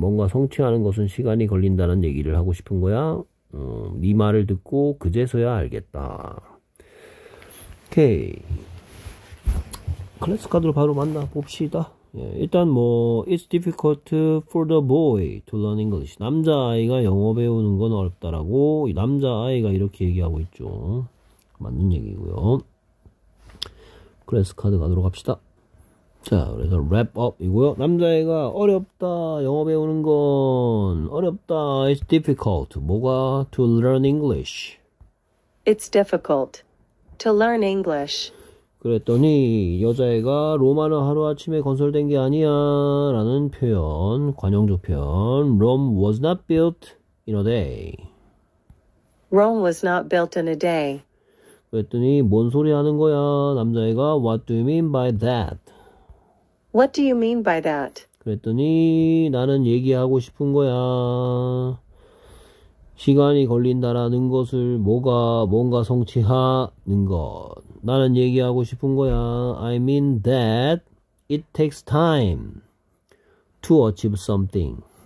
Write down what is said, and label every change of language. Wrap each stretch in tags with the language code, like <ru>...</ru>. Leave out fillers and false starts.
<ko>뭔가 성취하는 것은 시간이 걸린다는 얘기를 하고 싶은 거야. 네 말을 듣고 그제서야 알겠다. 오케이. 클래스 카드로 바로 만나 봅시다. 예, 일단 뭐</ko> <en>it's difficult for the boy to learn English.</en> <ko>남자 아이가 영어 배우는 건 어렵다라고 이 남자 아이가 이렇게 얘기하고 있죠. 맞는 얘기고요. 클래스 카드 가도록 합시다. 자, 그래서 wrap up 이고요. 남자애가 어렵다, 영어 배우는 건 어렵다.</ko> <en>It's difficult. 뭐가 to learn English. It's difficult to learn English.</en> <ko>그랬더니 여자애가 로마는 하루아침에 건설된 게 아니야 라는 표현, 관용적 표현.</ko> <en>Rome was not built in a day. Rome was not built in a day.</en> <ko>그랬더니 뭔 소리 하는 거야 남자애가.</ko> <en>What do you mean by that? What do you mean by that?</en> <ko>그랬더니 나는 얘기하고 싶은 거야. 시간이 걸린다라는 것을 뭐가 뭔가 성취하는 것. 나는 얘기하고 싶은 거야.</ko> <en>I mean that it takes time to achieve something.</en>